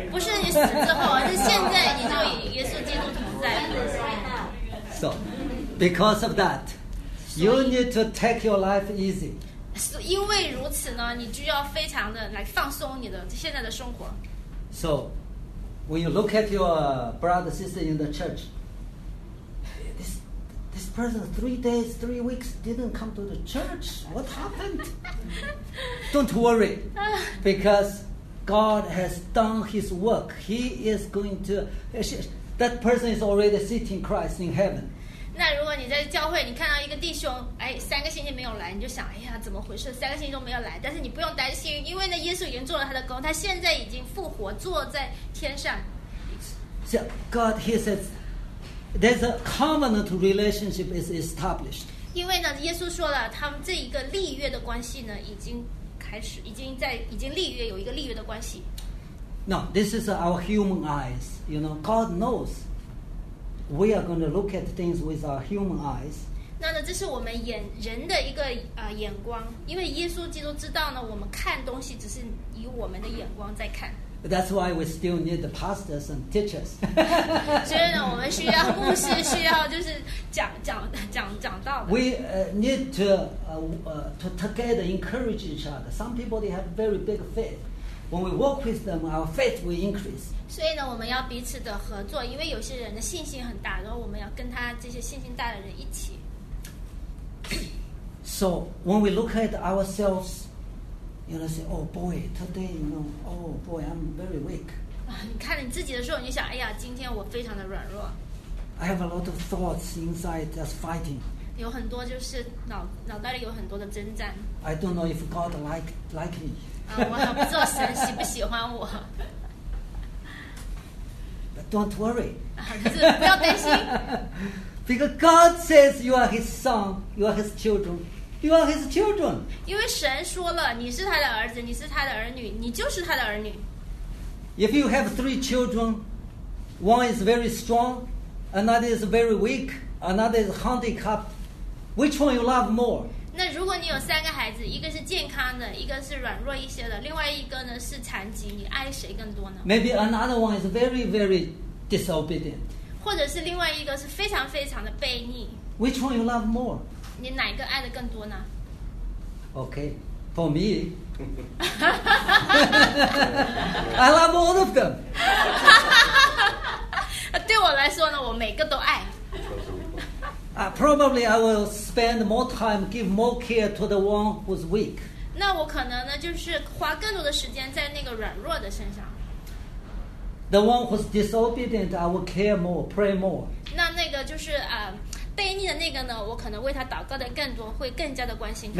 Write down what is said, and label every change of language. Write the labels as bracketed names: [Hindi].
[Chinese] 不是你死之后，是现在你就以耶稣基督同在。 [English] So, because of that, you need to take your life easy. [Chinese] 因为如此呢，你就要非常的来放松你的现在的生活。 [English] So. When you look at your brother, sister in the church, this person 3 days, 3 weeks didn't come to the church. What happened? Don't worry, because God has done His work. He is going to. That person is already sitting Christ in heaven. [Chinese] 那如果你在教会，你看到一个弟兄，哎，三个星期没有来，你就想，哎呀，怎么回事？三个星期都没有来。但是你不用担心，因为呢，耶稣已经做了他的工，他现在已经复活，坐在天上。 [English] So God, He says, there's a covenant relationship is established. [Chinese] 因为呢，耶稣说了，他们这一个立约的关系呢，已经开始，已经立约，有一个立约的关系。 [English] No, this is our human eyes. You know, God knows. We are going to look at things with our human eyes. [Chinese] 那呢，这是我们眼人的一个眼光，因为耶稣基督知道呢，我们看东西只是以我们的眼光在看。 [English] That's why we still need the pastors and teachers. [Chinese] 所以呢，我们需要牧师，需要就是讲道的。 [English] We need to together encourage each other. Some people they have very big faith. When we walk with them, our faith will increase. [Chinese] 所以呢，我们要彼此的合作，因为有些人的信心很大，然后我们要跟他这些信心大的人一起。 [English] So So when we look at ourselves, you know, say, oh boy, today, you know, oh boy, I'm very weak. [Chinese] 你看你自己的时候，你就想，哎呀，今天我非常的软弱。 [English] I have a lot of thoughts inside that's fighting. [Chinese] 有很多就是脑袋里有很多的征战。 [English] I don't know if God like me. [Chinese] 我还不知道神喜不喜欢我。 [English] But don't worry. [Chinese] 不要担心。 [English] Because God says you are His son, you are His children, you are His children. [Chinese] 因为神说了，你是他的儿子，你是他的儿女，你就是他的儿女。 [English] If you have three children, one is very strong, another is very weak, another is handicapped, which one you love more? [Chinese] 那如果你有三个孩子，一个是健康的，一个是软弱一些的，另外一个呢是残疾，你爱谁更多呢？ [English] Maybe another one is very, very disobedient. [Chinese] 或者是另外一个是非常非常的悖逆。 [English] Which one you love more? [Chinese] 你哪个爱的更多呢？ [English] Okay. For me, I love all of them. [Chinese] 对我来说呢，我每个都爱。 [English] Probably I will spend more time, give more care to the one who's weak. [Chinese] 那我可能呢，就是花更多的时间在那个软弱的身上。 [English] The one who's disobedient, I will care more, pray more. [Chinese] 那个就是悖逆的那个呢，我可能为他祷告的更多，会更加的关心他。